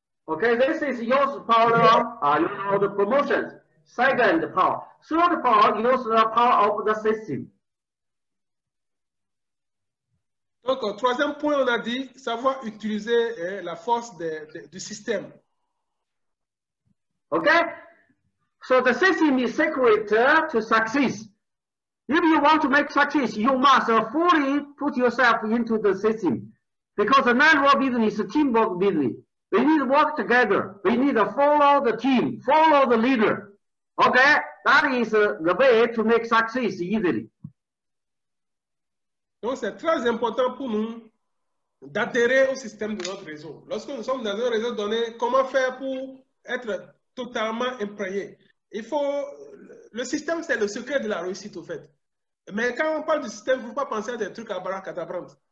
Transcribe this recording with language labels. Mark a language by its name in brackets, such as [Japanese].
[English] Okay, this is use power of the promotions. Second power. Third power, use the power of the system. [French] Donc, au troisième point, on a dit savoir utiliser la force du système. [English] Okay? So the system is secret to success. If you want to make success, you must fully put yourself into the system. Because the network business is a teamwork business. We need to work together. We need to follow the team, follow the leader. Okay? That is the way to make success easily. [French] Donc, c'est très important pour nous d'adhérer au système de notre réseau. Lorsque nous sommes dans un réseau donné, comment faire pour être totalement imprégné? Il faut... Le système, c'est le secret de la réussite, au fait. Mais quand on parle du système, il ne faut pas penser à des trucs à abracadabra.